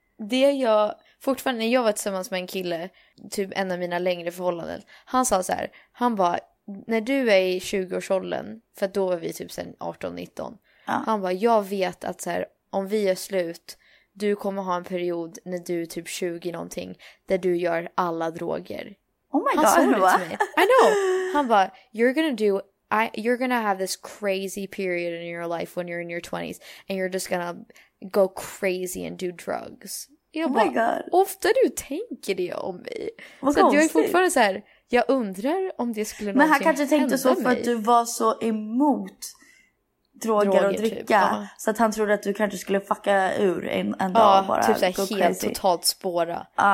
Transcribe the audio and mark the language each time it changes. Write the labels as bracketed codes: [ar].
[sv] Det jag fortfarande, när jag var tillsammans med en kille, typ en av mina längre förhållanden, han sa så här, han bara, när du är i 20-årsåldern, för då var vi typ sen 18-19, han bara, jag vet att så här, om vi är slut, du kommer ha en period när du är typ 20 någonting där du gör alla droger. [en] Oh my god. [sv] Han sa det till mig. [en] I know. [sv] Han bara, [en] you're gonna have this crazy period in your life when you're in your 20s and you're just gonna go crazy and do drugs. [sv] Jag bara, [en] oh my god. [sv] Ofta du tänker det om mig. Vad så jag är fortfarande så här, jag undrar om det skulle någonsin hända mig. Men han kanske tänkte så för att du var så emot droger och dricka. Typ, så att han trodde att du kanske skulle fucka ur en dag bara. Typ så här, helt crazy. Totalt spåra.